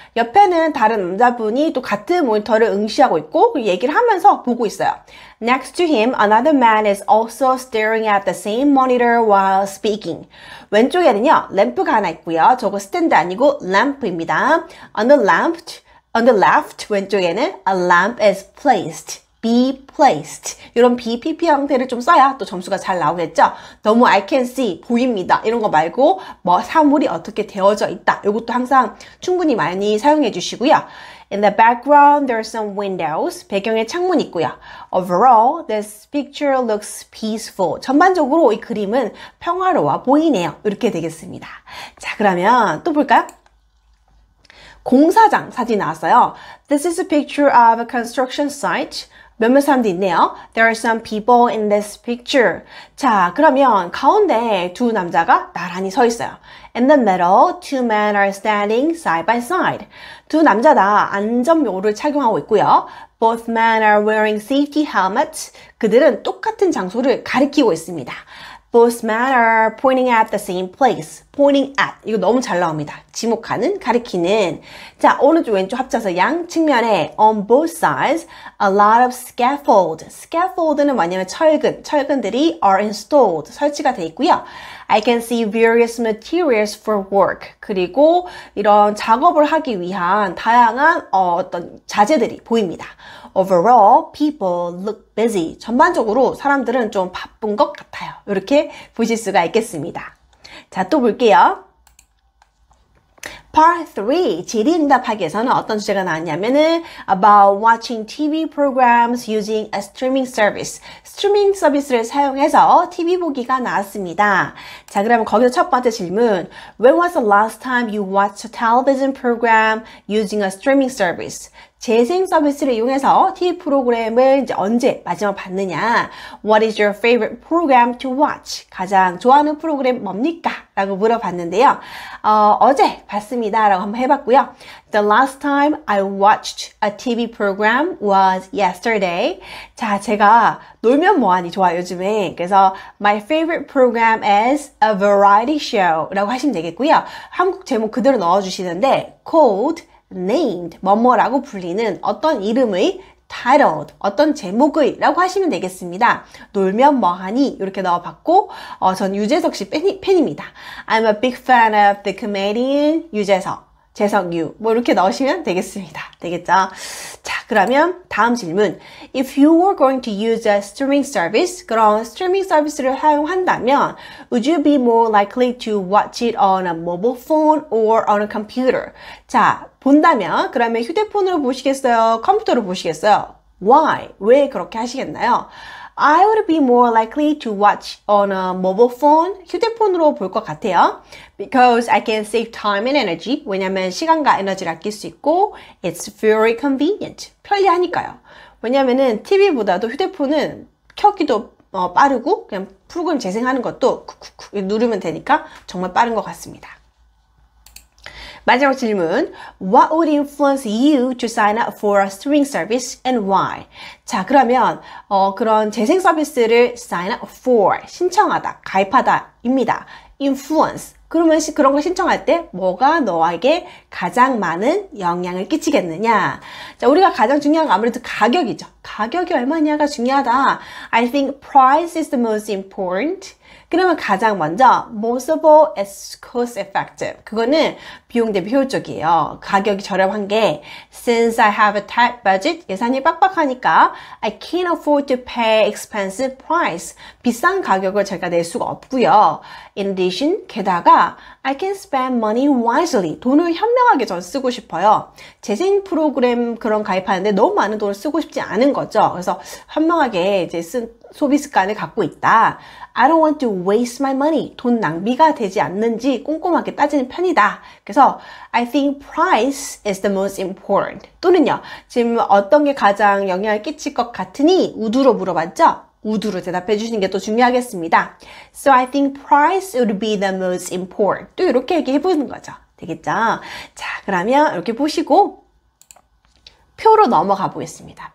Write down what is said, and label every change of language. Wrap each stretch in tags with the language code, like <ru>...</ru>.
<ko>옆에는 다른 남자분이 또 같은 모니터를 응시하고 있고 얘기를 하면서 보고 있어요.</ko> <en>Next to him, another man is also staring at the same monitor while speaking.</en> <ko>왼쪽에는요, 램프가 하나 있고요. 저거 스탠드 아니고 램프입니다.</ko> <en>On the left,</en> <ko>왼쪽에는</ko> <en>a lamp is placed. Be placed.</en> <ko>이런 be PP 형태를 좀 써야 또 점수가 잘 나오겠죠? 너무</ko> <en>I can see,</en> <ko>보입니다. 이런 거 말고 뭐 사물이 어떻게 되어져 있다. 이것도 항상 충분히 많이 사용해 주시고요.</ko> <en>In the background, there are some windows.</en> <ko>배경에 창문 있고요.</ko> <en>Overall, this picture looks peaceful.</en> <ko>전반적으로 이 그림은 평화로워 보이네요. 이렇게 되겠습니다. 자, 그러면 또 볼까요? 공사장 사진 나왔어요.</ko> <en>This is a picture of a construction site.</en> <ko>몇몇 사람도 있네요.</ko> <en>There are some people in this picture.</en> <ko>자, 그러면 가운데 두 남자가 나란히 서 있어요.</ko> <en>In the middle, two men are standing side by side.</en> <ko>두 남자 다 안전모를 착용하고 있고요.</ko> <en>Both men are wearing safety helmets.</en> <ko>그들은 똑같은 장소를 가리키고 있습니다.</ko> <en>Both men are pointing at the same place. Pointing at.</en> <ko>이거 너무 잘 나옵니다. 지목하는, 가리키는. 자, 오른쪽, 왼쪽 합쳐서 양 측면에</ko> <en>on both sides, a lot of scaffold.</en> <ko>Scaffold는 뭐냐면 철근. 철근들이</ko> <en>are installed.</en> <ko>설치가 돼 있고요.</ko> <en>I can see various materials for work.</en> <ko>그리고 이런 작업을 하기 위한 다양한 어떤 자재들이 보입니다.</ko> <en>Overall, people look busy.</en> <ko>전반적으로 사람들은 좀 바쁜 것 같아요. 이렇게 보실 수가 있겠습니다. 자, 또 볼게요. Part 3, 질의응답하기에서는 어떤 주제가 나왔냐면은</ko> <en>About watching TV programs using a streaming service.</en> <ko>스트리밍 서비스를 사용해서 TV 보기가 나왔습니다. 자, 그러면 거기서 첫 번째 질문.</ko> <en>When was the last time you watched a television program using a streaming service?</en> <ko>재생 서비스를 이용해서 TV 프로그램을 이제 언제 마지막 봤느냐?</ko> <en>What is your favorite program to watch?</en> <ko>가장 좋아하는 프로그램 뭡니까? 라고 물어봤는데요. 어제 봤습니다. 라고 한번 해봤고요.</ko> <en>The last time I watched a TV program was yesterday.</en> <ko>자, 제가 놀면 뭐하니 좋아요, 요즘에.</ko> <en>그래서 my favorite program is a variety show</en> <ko>라고 하시면 되겠고요. 한국 제목 그대로 넣어주시는데 called named, 뭐뭐라고 불리는 어떤 이름의 titled, 어떤 제목의 라고 하시면 되겠습니다. 놀면 뭐하니? 이렇게 넣어봤고, 전 유재석 씨 팬입니다.</ko> <en>I'm a big fan of the comedian 유재석,</en> <ko>재석유. 뭐 이렇게 넣으시면 되겠습니다. 되겠죠? 자, 그러면 다음 질문.</ko> <en>If you were going to use a streaming service,</en> <ko>그런 스트리밍 서비스를 사용한다면,</ko> <en>would you be more likely to watch it on a mobile phone or on a computer?</en> <ko>자, 본다면 그러면 휴대폰으로 보시겠어요? 컴퓨터로 보시겠어요?</ko> <en>Why?</en> <ko>왜 그렇게 하시겠나요?</ko> <en>I would be more likely to watch on a mobile phone.</en> <ko>휴대폰으로 볼 것 같아요.</ko> <en>Because I can save time and energy.</en> <ko>왜냐면 시간과 에너지를 아낄 수 있고</ko> <en>It's very convenient.</en> <ko>편리하니까요. 왜냐면은 TV보다도 휴대폰은 켜기도 빠르고 그냥 프로그램 재생하는 것도 쿡쿡쿡 누르면 되니까 정말 빠른 것 같습니다. 마지막 질문.</ko> <en>What would influence you to sign up for a streaming service and why?</en> <ko>자, 그러면 그런 재생 서비스를 sign up for, 신청하다, 가입하다입니다. Influence. 그러면 그런 걸 신청할 때 뭐가 너에게 가장 많은 영향을 끼치겠느냐? 자, 우리가 가장 중요한 건 아무래도 가격이죠. 가격이 얼마냐가 중요하다.</ko> <en>I think price is the most important.</en> <ko>그러면 가장 먼저</ko> <en>possible is cost effective.</en> <ko>그거는 비용 대비 효율적이에요. 가격이 저렴한 게</ko> <en>since I have a tight budget,</en> <ko>예산이 빡빡하니까</ko> <en>I can't afford to pay expensive price.</en> <ko>비싼 가격을 제가 낼 수가 없고요.</ko> <en>In addition,</en> <ko>게다가</ko> <en>I can spend money wisely.</en> <ko>돈을 현명하게 저는 쓰고 싶어요. 재생 프로그램 그런 가입하는데 너무 많은 돈을 쓰고 싶지 않은 거죠. 그래서 현명하게 이제 쓴 소비 습관을 갖고 있다.</ko> <en>I don't want to waste my money.</en> <ko>돈 낭비가 되지 않는지 꼼꼼하게 따지는 편이다. 그래서</ko> <en>I think price is the most important.</en> <ko>또는요, 지금 어떤 게 가장 영향을 끼칠 것 같으니 우드로 물어봤죠? 우드로 대답해 주시는 게 또 중요하겠습니다.</ko> <en>So I think price would be the most important.</en> <ko>또 이렇게 얘기해 보는 거죠. 되겠죠? 자, 그러면 이렇게 보시고 표로 넘어가 보겠습니다.</ko>